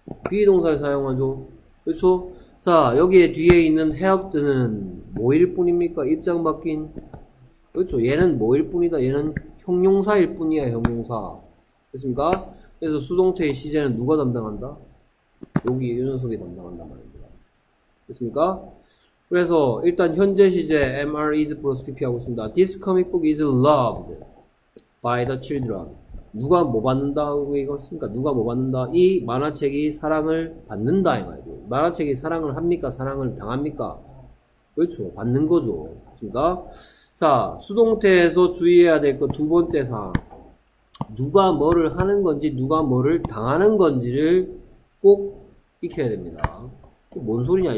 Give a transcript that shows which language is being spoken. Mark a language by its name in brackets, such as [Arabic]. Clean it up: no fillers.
[Korean] 비동사를 사용하죠. 그렇죠? 자, 여기에 뒤에 있는 help는 뭐일 뿐입니까? 입장 바뀐? 그렇죠? 얘는 뭐일 뿐이다? 얘는 형용사일 뿐이야, 형용사. 됐습니까? 그래서 수동태의 시제는 누가 담당한다? 여기 이 녀석이 담당한단 말입니다. 됐습니까? 그래서 일단 현재 시제 MR is plus PP 하고 있습니다. [English] This comic book is loved by the children. [Korean] 누가 뭐 받는다 하고 읽었습니까? 누가 뭐 받는다? 이 만화책이 사랑을 받는다 이 말이죠. 만화책이 사랑을 합니까? 사랑을 당합니까? 그렇죠. 받는 거죠. 됐습니까? 자, 수동태에서 주의해야 될 거 두 번째 사항. 누가 뭐를 하는 건지 누가 뭐를 당하는 건지를 꼭 익혀야 됩니다. 뭔 소리냐?